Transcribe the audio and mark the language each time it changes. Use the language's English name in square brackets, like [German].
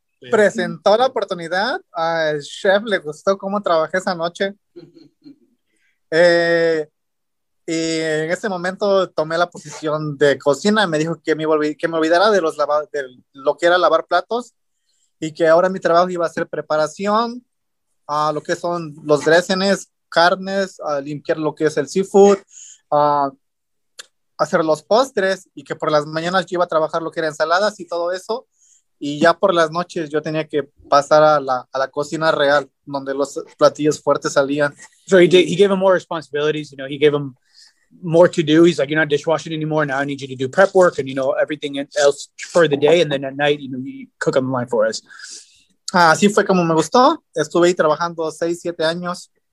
[Spanish] presentó la oportunidad al chef, le gustó cómo trabajé esa noche y en ese momento tomé la posición de cocina, me dijo que me olvidara de los lavados, de lo que era lavar platos y que ahora mi trabajo iba a ser preparación a lo que son los dressings, carnes, a limpiar lo que es el seafood, a hacer los postres y que por las mañanas yo iba a trabajar lo que era ensaladas y todo eso. Y ya por las noches yo tenía que pasar a la cocina real, donde los platillos fuertes salían. [English] So he gave him more responsibilities, you know, he gave him more to do. He's like, you're not dishwashing anymore, now I need you to do prep work and, you know, everything else for the day. And then at night, you know, you cook them online for us. [Spanish] Así fue como me gustó. Estuve ahí trabajando 6-7 años.